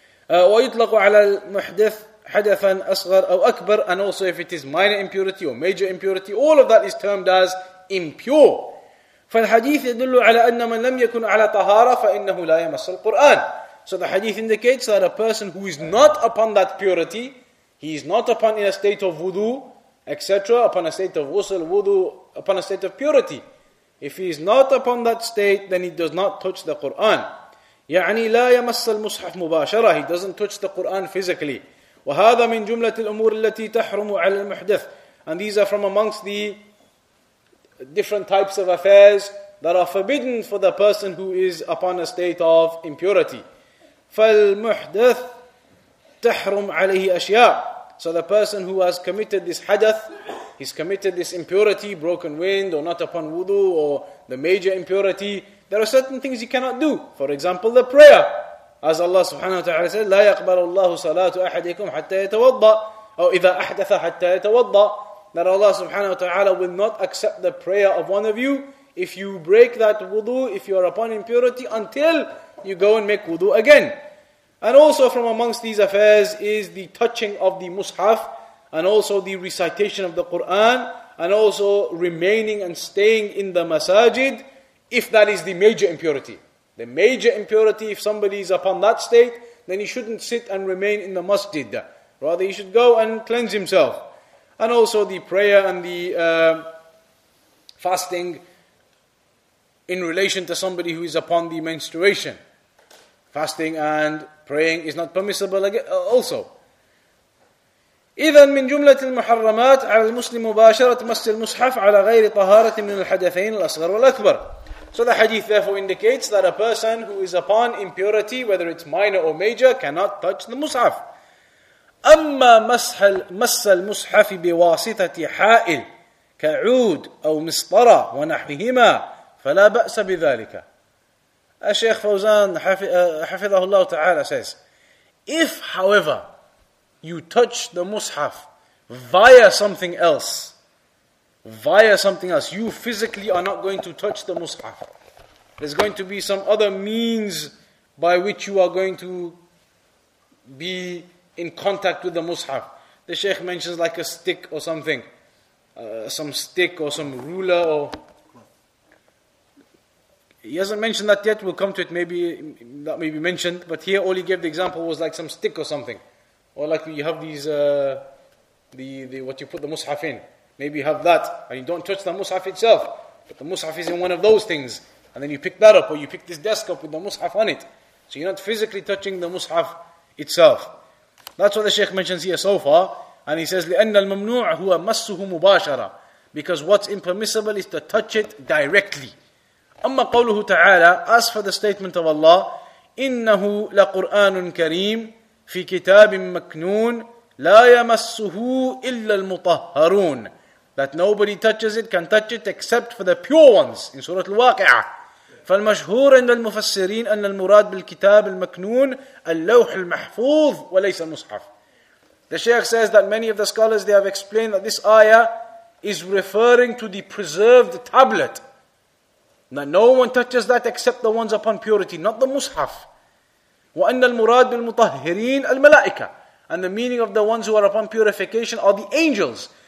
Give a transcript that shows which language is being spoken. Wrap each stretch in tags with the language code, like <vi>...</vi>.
<ar>ويطلق على المحدث حدثا أصغر أو أكبر.</ar> <en>And also if it is minor impurity or major impurity, all of that is termed as impure.</en> <ar>فالحديث يدل على أن من لم يكن على طهارة فإنه لا يمس القرآن.</ar> <en>So the hadith indicates that a person who is not upon that purity, he is not upon in a state of wudu, etc., upon a state of ghusl, wudu, upon a state of purity. If he is not upon that state, then he does not touch the Qur'an.</en> <ar>يعني لا يمس المصحف مباشرة.</ar> <en>He doesn't touch the Qur'an physically.</en> <ar>وهذا من جملة الأمور التي تحرم على المحدث.</ar> <en>And these are from amongst the different types of affairs that are forbidden for the person who is upon a state of impurity.</en> <ar>فالمحدث تحرم عليه أشياء.</ar> <en>So the person who has committed this hadath, he's committed this impurity, broken wind, or not upon wudu, or the major impurity, there are certain things he cannot do. For example, the prayer. As Allah subhanahu wa ta'ala said,</en> <ar>لا يقبل الله صلاة أحدكم حتى يتوضى أو إذا أحدث حتى يتوضى.</ar> <en>That Allah subhanahu wa ta'ala will not accept the prayer of one of you if you break that wudu, if you are upon impurity, until you go and make wudu again. And also from amongst these affairs is the touching of the mushaf, and also the recitation of the Qur'an, and also remaining and staying in the masajid, if that is the major impurity. The major impurity, if somebody is upon that state, then he shouldn't sit and remain in the masjid. Rather, he should go and cleanse himself. And also the prayer and the fasting in relation to somebody who is upon the menstruation. Fasting and praying is not permissible also.</en> <ar>إذن من جملة المحرمات على المسلم مباشرة مس المصحف على غير طهارة من الحدثين الأصغر والأكبر.</ar> <en>So the hadith therefore indicates that a person who is upon impurity, whether it's minor or major, cannot touch the mushaf.</en> <ar>أما مسح مس المصحف بواسطة حائل كعود أو مسطرة ونحوهما فلا بأس بذلك.</ar> <en>As Shaykh Fawzan Hafidhahullah Ta'ala says, if however you touch the mushaf via something else, you physically are not going to touch the mushaf. There's going to be some other means by which you are going to be in contact with the mushaf. The Shaykh mentions like a stick or something. Some stick or some ruler or... He hasn't mentioned that yet, we'll come to it, maybe that may be mentioned. But here all he gave the example was like some stick or something. Or like you have these, what you put the mushaf in. Maybe you have that, and you don't touch the mushaf itself. But the mushaf is in one of those things. And then you pick that up, or you pick this desk up with the mushaf on it. So you're not physically touching the mushaf itself. That's what the Shaykh mentions here so far. And he says,</en> <ar>لِأَنَّ الْمَمْنُوعَ هُوَ مَسُّهُ مُبَاشَرًا.</ar> <en>Because what's impermissible is to touch it directly.</en> <ar>أما قوله تعالى,</ar> <en>as for the statement of Allah,</en> <ar>إنه لقرآن كريم في كتاب مكنون لا يمسه إلا المطهرون.</ar> <en>That nobody touches it, can touch it except for the pure ones. In Surah Al-Waqi'ah. Yeah.</en> <ar>فالمشهور عند المفسرين أن المراد بالكتاب المكنون اللوح المحفوظ وليس المصحف.</ar> <en>The Shaykh says that many of the scholars, they have explained that this ayah is referring to the preserved tablet. That no one touches that except the ones upon purity, not the mushaf.</en> <ar>وَأَنَّ الْمُرَادُ بِالْمُطَهِّرِينَ الْمَلَائِكَةِ.</ar> <en>And the meaning of the ones who are upon purification are the angels.</en>